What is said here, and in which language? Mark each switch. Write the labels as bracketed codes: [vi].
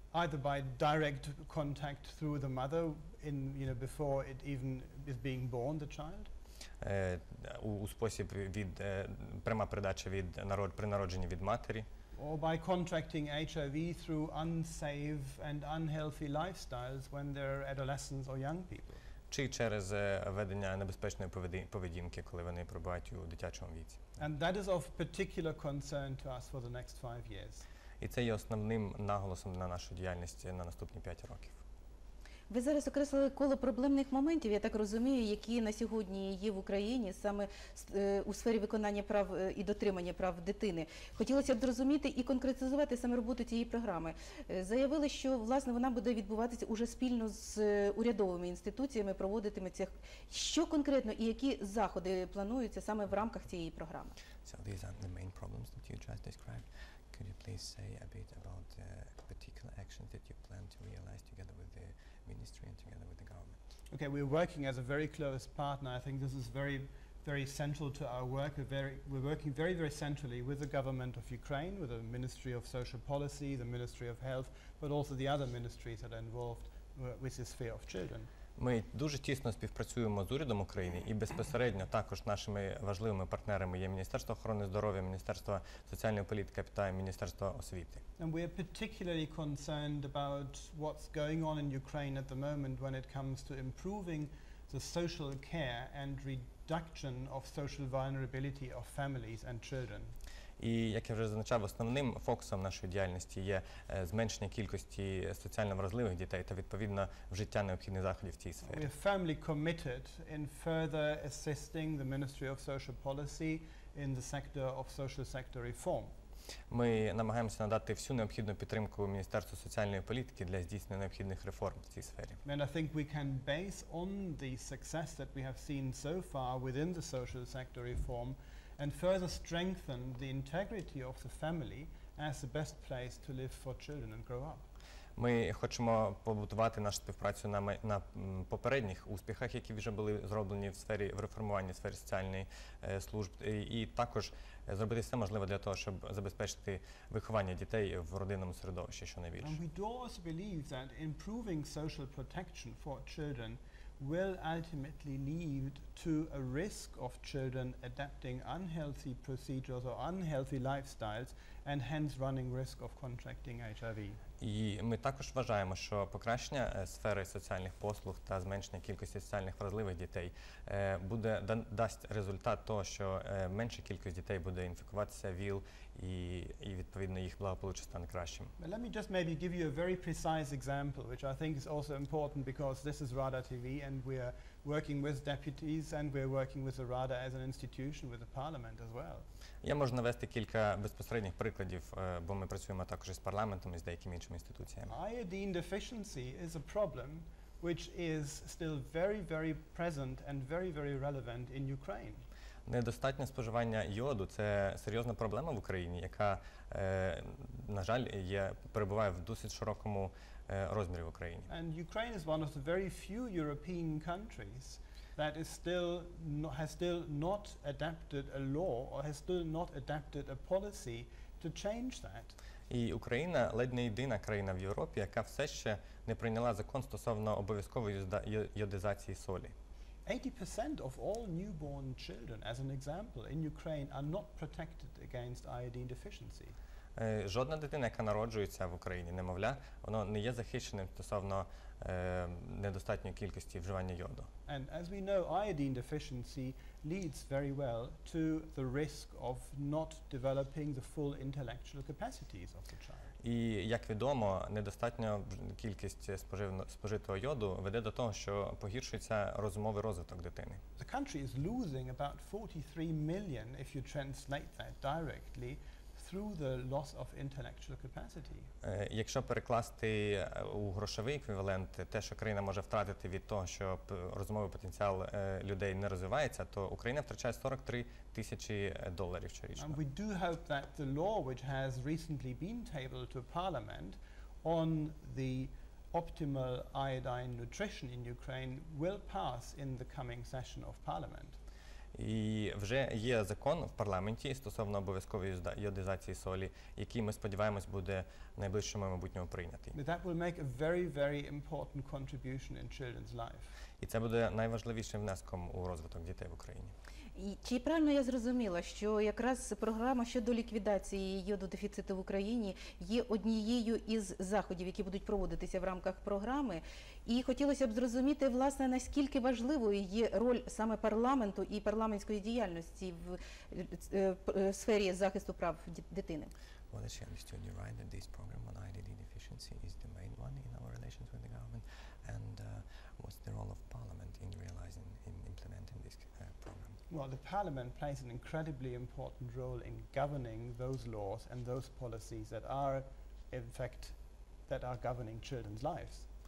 [en] either by direct contact through the mother in, you know, before it even is being born, the child. [uk] У спосіб від пряма передача від при народженні від матері. [en] Or by contracting HIV through unsafe and unhealthy lifestyles when they're adolescents or young people. [uk] Чи через ведення небезпечної поведінки, коли вони перебувають у дитячому віці. [en] And that is of particular concern to us for the next 5 years. [uk] І це є основним наголосом на нашу діяльність на наступні 5 років. Ви зараз окреслили коло проблемних моментів, я так розумію, які на сьогодні є в Україні, саме у сфері виконання прав і дотримання прав дитини. Хотілося б зрозуміти і конкретизувати саме роботу цієї програми. Заявили, що, власне, вона буде відбуватися уже спільно з урядовими інституціями, проводитиметься. Що конкретно і які заходи плануються саме в рамках цієї програми? [en] So these are the main problems that you just described. Could you please say a bit about the particular actions that you plan to realize together with the ministry and together with the government? Okay, we're working as a very close partner. I think this is very, very central to our work. We're working very, very centrally with the government of Ukraine, with the Ministry of Social Policy, the Ministry of Health, but also the other ministries that are involved with the sphere of children. [uk] Ми дуже тісно співпрацюємо з урядом України і безпосередньо також нашими важливими партнерами є Міністерство охорони здоров'я, Міністерство соціальної політики та Міністерство освіти. [en] And we are particularly concerned about what's going on in Ukraine at the moment when it comes to improving the social care and reduction of social vulnerability of families and children. [uk] І, як я вже зазначав, основним фокусом нашої діяльності є зменшення кількості соціально вразливих дітей та, відповідно, вжиття необхідних заходів в цій сфері. [en] We are firmly committed in further assisting the Ministry of Social Policy in the sector of social sector reform. [uk] Ми намагаємося надати всю необхідну підтримку Міністерству соціальної політики для здійснення необхідних реформ в цій сфері. [en] And I think we can base on the success that we have seen so far within the social sector reform and further strengthen the integrity of the family as the best place to live for children and grow up. [uk] Ми хочемо побудувати нашу співпрацю на попередніх успіхах, які вже були зроблені в сфері реформування сфери соціальної служби, і також зробити все можливе для того, щоб забезпечити виховання дітей в родинному середовищі щонайбільше. [en] And we do also believe that improving social protection for children will ultimately lead to a risk of children adapting unhealthy procedures or unhealthy lifestyles and hence running risk of contracting HIV. [uk] І ми також вважаємо, що покращення сфери соціальних послуг та зменшення кількості соціальних вразливих дітей буде дасть результат того, що менша кількість дітей буде інфікуватися ВІЛ і відповідно їх благополуччя стане кращим. [en] But let me just maybe give you a very precise example, which I think is also important because this is Rada TV and we are working with deputies and we're working with the Rada as an institution with the parliament as well. [uk] Я можу навести кілька безпосередніх прикладів, бо ми працюємо також із парламентом і з деякими іншими інституціями. [en] Iodine deficiency is a problem which is still very, very present and very, very relevant in Ukraine. [uk] Недостатнє споживання йоду – це серйозна проблема в Україні, яка, на жаль, перебуває в досить широкому розмірі в Україні. [en] And Ukraine is one of the very few European countries that is still has still not adapted a law or has still not adapted a policy to change that. [uk] І Україна ледь не єдина країна в Європі, яка все ще не прийняла закон стосовно обов'язкової йодизації солі. [en] 80% of all newborn children, as an example, in Ukraine are not protected against iodine deficiency. [uk] Жодна дитина, яка народжується в Україні, немовля, воно не є захищеним стосовно недостатньої кількості вживання йоду. [en] And as we know, iodine deficiency leads very well to the risk of not developing the full intellectual capacities of the child. [uk] І, як відомо, недостатня кількість спожитого йоду веде до того, що погіршується розумовий розвиток дитини. [en] The country is losing about 43 million, if you translate that directly, through the loss of intellectual capacity. [uk] Якщо перекласти у грошовий еквівалент те, що країна може втратити від того, що розумовий потенціал людей не розвивається, то Україна втрачає 43 тисячі доларів щорічно. [en] And we do hope that the law which has recently been tabled to parliament on the optimal iodine nutrition in Ukraine will pass in the coming session of parliament. [uk] І вже є закон в парламенті стосовно обов'язкової йодизації солі, який, ми сподіваємось, буде найближчим майбутньому прийнятий. [en] That will make a very, very important contribution in children's life. [uk] І це буде найважливішим внеском у розвиток дітей в Україні. І чи правильно я зрозуміла, що якраз програма щодо ліквідації йододефіциту в Україні є однією із заходів, які будуть проводитися в рамках програми? І хотілося б зрозуміти, власне, наскільки важливою є роль саме парламенту і парламентської діяльності в сфері захисту прав дитини? [en] Well, as you understood, you're right that this program on IDD deficiency is the main one in our relations with the government. And what's the role of parliament in realizing, in implementing this program? Well, the parliament plays an incredibly important role in governing those laws and those policies that are, in fact, that are governing children's lives.